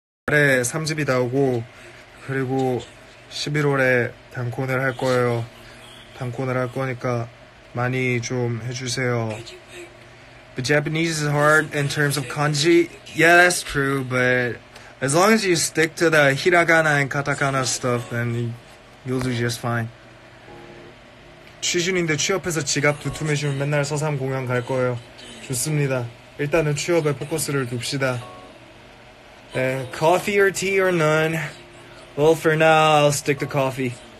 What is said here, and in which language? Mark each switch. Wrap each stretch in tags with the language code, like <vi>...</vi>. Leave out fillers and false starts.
<ko>8월에 3집이 나오고 그리고 11월에 단콘을 할 거예요. 단콘을 할 거니까 많이 좀 해주세요.</ko> <en>But Japanese is hard in terms of kanji. Yeah, that's true. But as long as you stick to the hiragana and katakana stuff, then you'll do just fine.</en> <ko>취준인데 취업해서 지갑 두툼해지면 맨날 서삼 공연 갈 거예요. 좋습니다. 일단은 취업에 포커스를 둡시다.</ko> <en>Coffee or tea or none? Well, for now, I'll stick to coffee.</en>